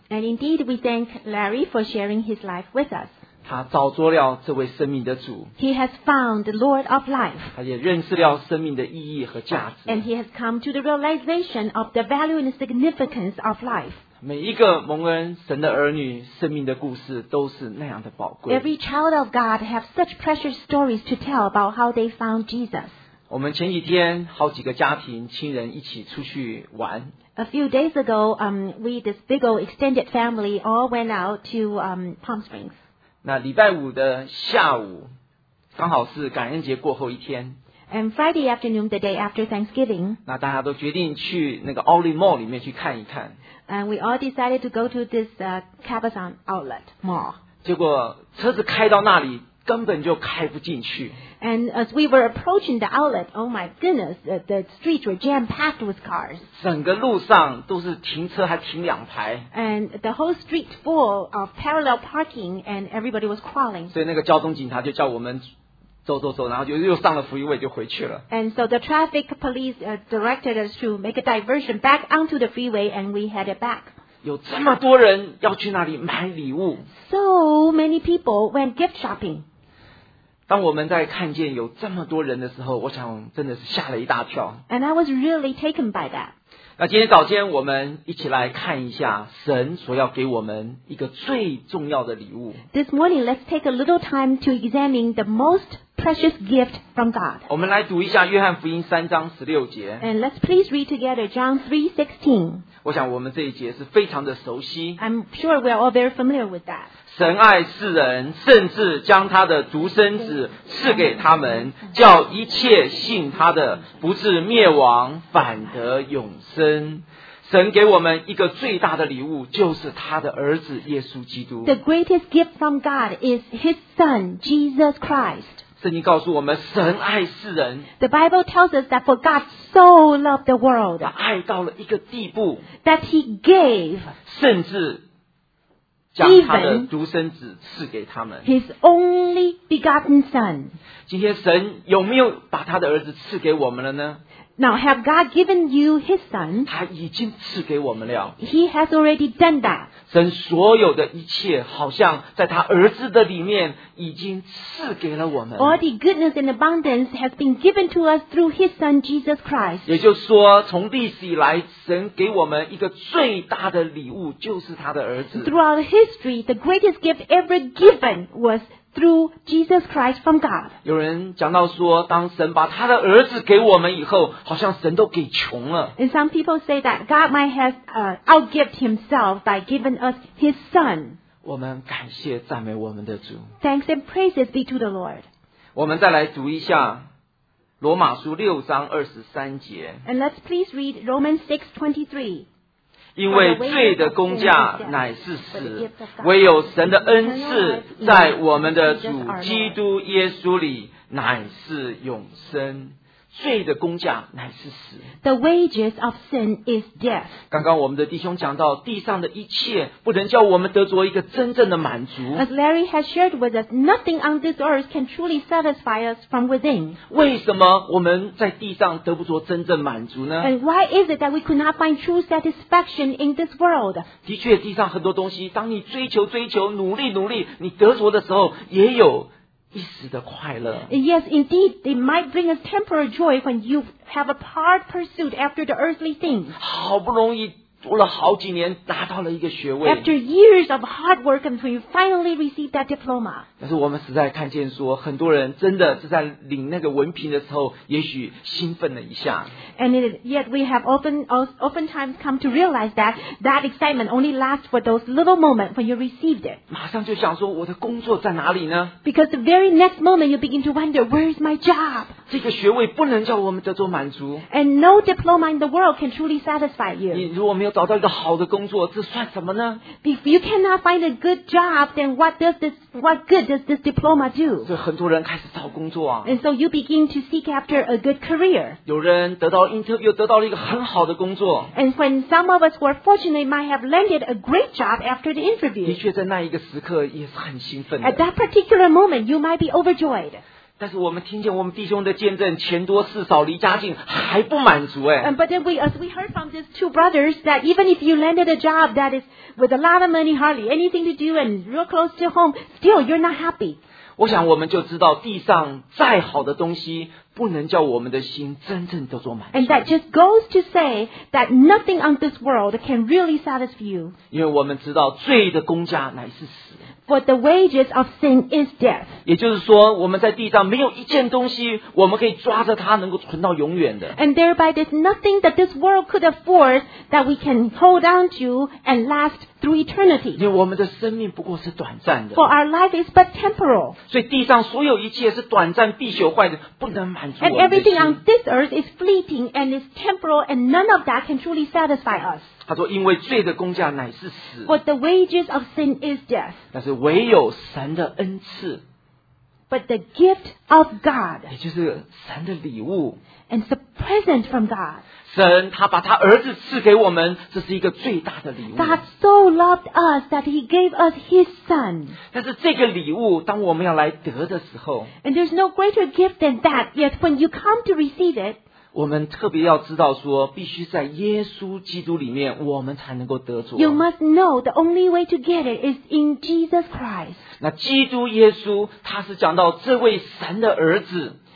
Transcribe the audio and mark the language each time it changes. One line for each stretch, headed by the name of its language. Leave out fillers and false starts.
English: And indeed, we thank Larry for sharing his life with us.
Chinese: 他找着了这位生命的主。
English: He has found the Lord of life.
Chinese: 他也认识了生命的意义和价值。
English: And he has come to the realization of the value and significance of life.
Chinese: 每一个蒙恩神的儿女生命的故事都是那样的宝贵。
English: Every child of God have such precious stories to tell about how they found Jesus.
Chinese: 我们前几天好几个家庭亲人一起出去玩。
English: A few days ago, we this big old extended family all went out to Palm Springs.
Chinese: 那礼拜五的下午刚好是感恩节过后一天。
English: And Friday afternoon, the day after Thanksgiving,
Chinese: 那大家都决定去那个 Outlet Mall 里面去看一看。
English: And we all decided to go to this Cabazon Outlet Mall.
Chinese: 结果车子开到那里根本就开不进去。
English: And as we were approaching the outlet, oh my goodness, the streets were jam-packed with cars.
Chinese: 整个路上都是停车还停两排。
English: And the whole street full of parallel parking and everybody was crawling.
Chinese: 所以那个交通警察就叫我们走走走，然后就又上了freeway就回去了。
English: And so the traffic police directed us to make a diversion back onto the freeway, and we headed back.
Chinese: 有这么多人要去那里买礼物。
English: So many people went gift shopping.
Chinese: 当我们在看见有这么多人的时候，我想真的是吓了一大跳。
English: And I was really taken by that.
Chinese: 那今天早间我们一起来看一下神所要给我们一个最重要的礼物。
English: This morning, let's take a little time to examine the most precious gift from God.
Chinese: 我们来读一下约翰福音三章十六节。
English: And let's please read together John 3:16.
Chinese: 我想我们这一节是非常的熟悉。
English: I'm sure we are all very familiar with that.
Chinese: 神爱世人，甚至将他的独生子赐给他们，叫一切信他的不至灭亡，反得永生。神给我们一个最大的礼物，就是他的儿子耶稣基督。
English: The greatest gift from God is His Son, Jesus Christ.
Chinese: 圣经告诉我们神爱世人。
English: The Bible tells us that for God so loved the world.
Chinese: 他爱到了一个地步。
English: That he gave.
Chinese: 甚至将他的独生子赐给他们。
English: His only begotten son.
Chinese: 今天神有没有把他的儿子赐给我们了呢？
English: Now, have God given you His Son?
Chinese: 他已经赐给我们了。
English: He has already done that.
Chinese: 神所有的一切好像在他儿子的里面已经赐给了我们。
English: All the goodness and abundance has been given to us through His Son, Jesus Christ.
Chinese: 也就是说，从历史以来，神给我们一个最大的礼物就是他的儿子。
English: Throughout history, the greatest gift ever given was through Jesus Christ from God.
Chinese: 有人讲到说，当神把他的儿子给我们以后，好像神都给穷了。
English: And some people say that God might have outgived himself by giving us his son.
Chinese: 我们感谢赞美我们的主。
English: Thanks and praises be to the Lord.
Chinese: 我们再来读一下罗马书六章二十三节。
English: And let's please read Romans 6:23.
Chinese: 因为罪的工价乃是死，唯有神的恩赐在我们的主基督耶稣里乃是永生。罪的工价乃是死。
English: The wages of sin is death.
Chinese: 刚刚我们的弟兄讲到，地上的一切不能叫我们得着一个真正的满足。
English: As Larry has shared with us, nothing on this earth can truly satisfy us from within.
Chinese: 为什么我们在地上得不着真正满足呢？
English: And why is it that we could not find true satisfaction in this world?
Chinese: 的确，地上很多东西，当你追求追求，努力努力，你得着的时候，也有一时的快乐。
English: Yes, indeed, it might bring us temporary joy when you have a hard pursuit after the earthly things.
Chinese: 好不容易读了好几年，拿到了一个学位。
English: After years of hard work, and when you finally receive that diploma.
Chinese: 但是我们实在看见说，很多人真的是在领那个文凭的时候，也许兴奋了一下。
English: And yet we have oftentimes come to realize that excitement only lasts for those little moments when you received it.
Chinese: 马上就想说，我的工作在哪里呢？
English: Because the very next moment you begin to wonder, where is my job?
Chinese: 这个学位不能叫我们得到满足。
English: And no diploma in the world can truly satisfy you.
Chinese: 你如果没有找到一个好的工作，这算什么呢？
English: If you cannot find a good job, then what good does this diploma do?
Chinese: 所以很多人开始找工作啊。
English: And so you begin to seek after a good career.
Chinese: 有人得到 interview, 得到了一个很好的工作。
English: And when some of us were fortunate might have landed a great job after the interview.
Chinese: 的确在那一个时刻也是很兴奋的。
English: At that particular moment, you might be overjoyed.
Chinese: 但是我们听见我们弟兄的见证，钱多事少离家近，还不满足哎。
English: But then we, as we heard from these two brothers, that even if you landed a job that is with a lot of money, hardly anything to do, and real close to home, still you're not happy.
Chinese: 我想我们就知道，地上再好的东西，不能叫我们的心真正叫做满足。
English: And that just goes to say that nothing on this world can really satisfy you.
Chinese: 因为我们知道罪的工价乃是死。
English: But the wages of sin is death.
Chinese: 也就是说，我们在地上没有一件东西我们可以抓着它能够存到永远的。
English: And thereby there's nothing that this world could afford that we can hold on to and last through eternity.
Chinese: 因为我们的生命不过是短暂的。
English: For our life is but temporal.
Chinese: 所以地上所有一切是短暂必朽坏的，不能满足我们的心。
English: And everything on this earth is fleeting and is temporal and none of that can truly satisfy us.
Chinese: 他说因为罪的工价乃是死。
English: But the wages of sin is death.
Chinese: 但是唯有神的恩赐。
English: But the gift of God.
Chinese: 也就是神的礼物。
English: And the present from God.
Chinese: 神他把他儿子赐给我们，这是一个最大的礼物。
English: God so loved us that he gave us his son.
Chinese: 但是这个礼物当我们要来得的时候。
English: And there's no greater gift than that, yet when you come to receive it,
Chinese: 我们特别要知道说必须在耶稣基督里面我们才能够得着。
English: You must know the only way to get it is in Jesus Christ.
Chinese: 那基督耶稣他是讲到这位神的儿子。